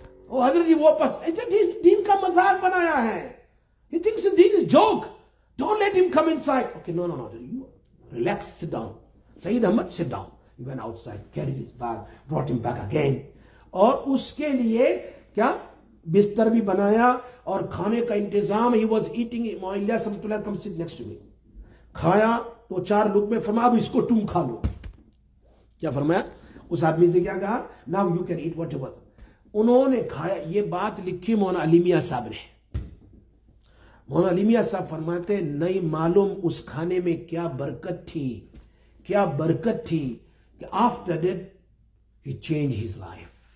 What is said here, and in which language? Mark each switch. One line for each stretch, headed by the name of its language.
Urdu: وہ حضرت جی واپس, دین کا مذاق بنایا ہے,
English: he thinks
Urdu: then
English: is joke, don't let him come inside. Okay, no, you relax, sit down. Saeed Ahmed sit down. He went outside, carried his bag, brought him back again.
Urdu: اور اس کے لیے کیا بستر بھی بنایا اور کھانے کا انتظام.
English: He was eating, Maulana Samat Ullah come sit next to me.
Urdu: کھایا تو چار لوگ میں فرمایا اب اس کو تم کھا لو. کیا فرمایا اس آدمی سے؟ کیا کہا؟
English: Now you can eat whatever.
Urdu: انہوں نے کھایا. یہ بات لکھی مولانا علی میاں صاحب نے. مولانا علی میاں صاحب فرماتے نہیں معلوم اس کھانے میں کیا برکت تھی, کیا برکت تھی کہ
English: After that ہی change his life.